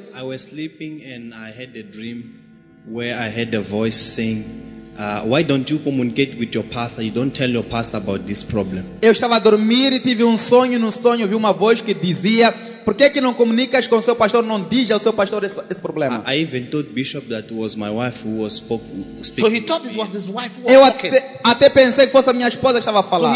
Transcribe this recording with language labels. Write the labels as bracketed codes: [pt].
[en] I was sleeping and I had a dream where I heard a voice saying, "Why don't you communicate with your pastor? You don't tell your pastor about this problem." [pt] Eu estava a dormir e tive um sonho. No sonho vi uma voz que dizia, "Por que que não comunicas com seu pastor? Não diz ao seu pastor esse problema." [en] I even told Bishop that it was my wife who was spoken. So he thought it was his wife who was talking. [pt] Eu até pensei que fosse a minha esposa que estava a falar.